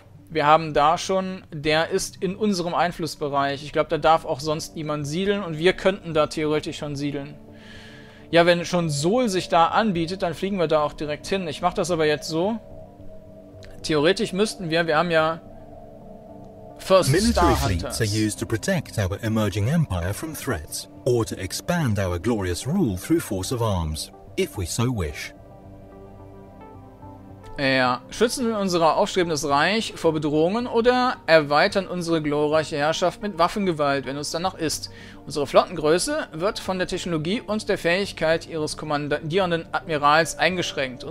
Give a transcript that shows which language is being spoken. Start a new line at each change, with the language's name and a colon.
German: wir haben da schon, der ist in unserem Einflussbereich. Ich glaube, da darf auch sonst niemand siedeln und wir könnten da theoretisch schon siedeln. Ja, wenn schon Sol sich da anbietet, dann fliegen wir da auch direkt hin. Ich mache das aber jetzt so. Theoretisch müssten wir haben ja First Star Hunters.
English: Military fleets are used to protect our emerging empire from threats or to expand our glorious rule through force of arms, if we so wish.
German: Ja, schützen wir unser aufstrebendes Reich vor Bedrohungen oder erweitern unsere glorreiche Herrschaft mit Waffengewalt, wenn es danach ist. Unsere Flottengröße wird von der Technologie und der Fähigkeit ihres kommandierenden Admirals eingeschränkt.